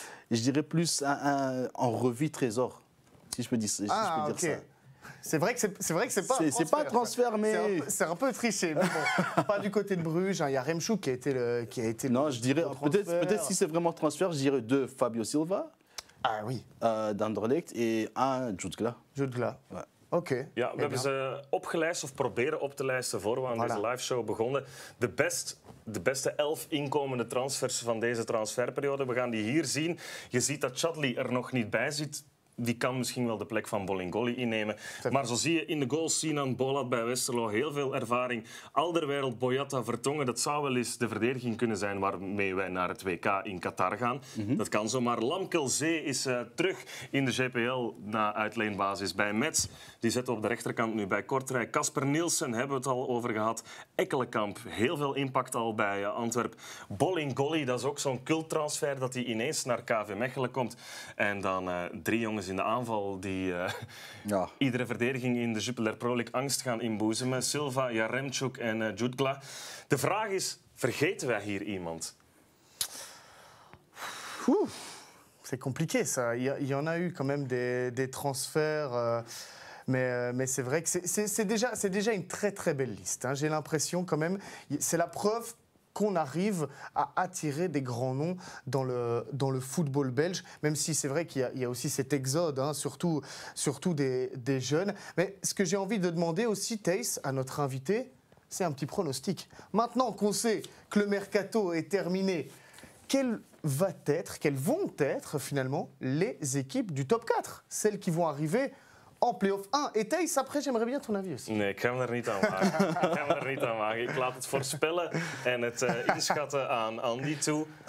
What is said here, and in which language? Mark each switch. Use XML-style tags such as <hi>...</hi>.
<fr>Je dirais plus un revue trésor, si je peux dire, si je peux dire ça. C'est vrai que c'est pas un transfert. C'est pas un transfert, quoi. Mais... C'est un peu triché, mais bon. Pas du côté de Bruges, hein. Il y a Remchou qui a été non, je dirais, peut-être si c'est vraiment un transfert, je dirais 2, Fabio Silva. Ah oui. D'Anderlecht et 1, Jutgla. Jutgla. Ouais. Okay.</fr> <nl>Ja, we hebben ze opgelijst of proberen op te lijsten voor we aan deze liveshow begonnen. De beste 11 inkomende transfers van deze transferperiode. We gaan die hier zien. Je ziet dat Chadli er nog niet bij zit. Die kan misschien wel de plek van Bolingoli innemen. Maar zo zie je in de goal Sinan Bolat bij Westerlo. Heel veel ervaring. Alderweireld, Boyata, Vertonghen. Dat zou wel eens de verdediging kunnen zijn waarmee wij naar het WK in Qatar gaan. Mm-hmm. Dat kan zomaar. Lamkelzee is terug in de GPL na uitleenbasis bij Metz. Die zetten op de rechterkant nu bij Kortrijk. Kasper Nielsen hebben we het al over gehad. Ekkelenkamp, heel veel impact al bij Antwerp. Bolingoli, dat is ook zo'n culttransfer dat hij ineens naar KV Mechelen komt. En dan drie jongens in de aanval die iedere verdediging in de Jupiler Pro League angst gaan inboezemen. Silva, Yaremchuk en Jutgla. De vraag is, vergeten wij hier iemand?</nl> <fr>C'est compliqué, ça. Il y en a eu quand même des transferts. Mais c'est vrai que c'est déjà une très très belle liste. Hein. J'ai l'impression quand même, c'est la preuve qu'on arrive à attirer des grands noms dans le football belge, même si c'est vrai qu'il y a aussi cet exode, hein, surtout des jeunes. Mais ce que j'ai envie de demander aussi, Thaïs, à notre invité, c'est un petit pronostic. Maintenant qu'on sait que le mercato est terminé, quelles vont être finalement les équipes du top 4, celles qui vont arriver en play-off 1. Et Thijs, après, j'aimerais bien ton avis aussi.</fr> <nl>Nee, ik ga hem er niet aan wagen. Ik laat het voorspellen en het inschatten aan Andy toe.</nl>